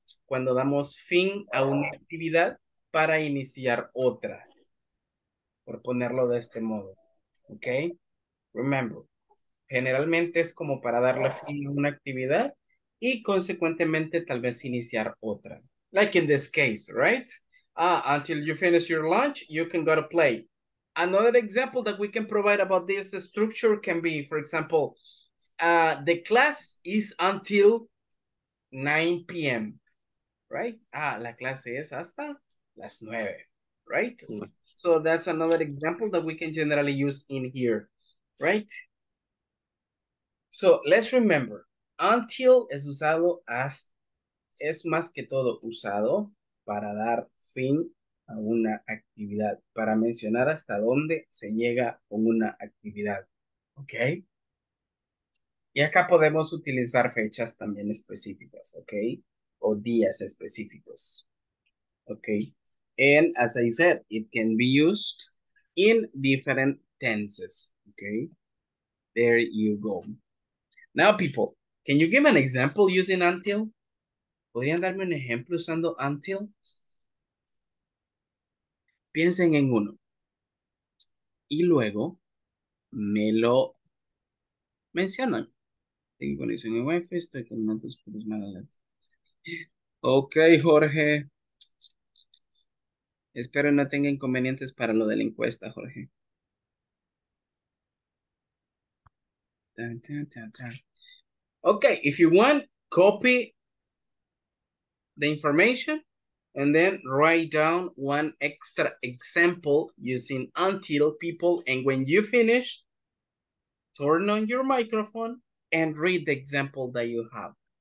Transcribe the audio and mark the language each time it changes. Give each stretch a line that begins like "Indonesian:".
Spanish: Cuando damos fin a una actividad para iniciar otra. Por ponerlo de este modo. ¿Ok? Remember, generalmente es como para darle fin a una actividad y consecuentemente tal vez iniciar otra.
English: Like in this case, right? Until you finish your lunch, you can go to play. Another example that we can provide about this structure can be, for example, the class is until 9 p.m. Right?
Spanish: La clase es hasta las 9, right?
English: So that's another example that we can generally use in here, right? So let's remember,
Spanish: until es usado hasta, es más que todo usado para dar fin a una actividad, para mencionar hasta dónde se llega con una actividad, ¿ok? Y acá podemos utilizar fechas también específicas, ¿ok? O días específicos.
English: Okay. And as I said, it can be used in different tenses. Okay. There you go. Now, people, can you give an example using until?
Spanish: ¿Podrían darme un ejemplo usando until? Piensen en uno. Y luego me lo mencionan. Tengo conexión en Wi-Fi, estoy con tantos puros malas. Okay, Jorge. Espero no tenga inconvenientes para lo de la encuesta, Jorge. Dun, dun, dun, dun.
English: Okay, if you want, copy the information and then write down one extra example using until, people, and when you finish, turn on your microphone and read the example that you have.